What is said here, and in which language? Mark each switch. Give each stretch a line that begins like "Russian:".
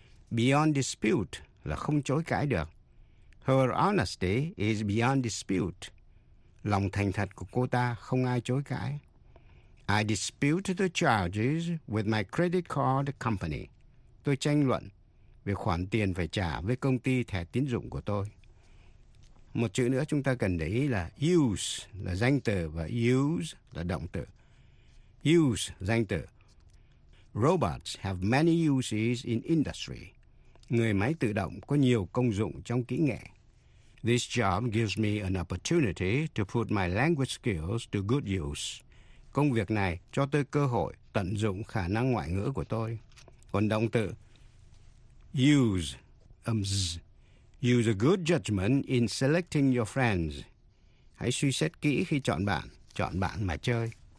Vietnamese: Beyond dispute là không chối cãi được.
English: Her honesty is beyond dispute.
Vietnamese: Lòng thành thật của cô ta không ai chối cãi.
English: I dispute the charges with my credit card company.
Vietnamese: Tôi tranh luận về khoản tiền phải trả với công ty thẻ tín dụng của tôi. Một chữ nữa chúng ta cần để ý là use là danh từ và use là động từ. Use, danh từ.
English: Robots have many uses in industry.
Vietnamese: Người máy tự động có nhiều công dụng trong kỹ nghệ.
English: This job gives me an opportunity to put my language skills to good use.
Vietnamese: Công việc này cho tôi cơ hội tận dụng khả năng ngoại ngữ của tôi. Còn động từ
English: use, z, use a good judgment in selecting your friends.
Vietnamese: Hãy suy xét kỹ khi chọn bạn mà chơi.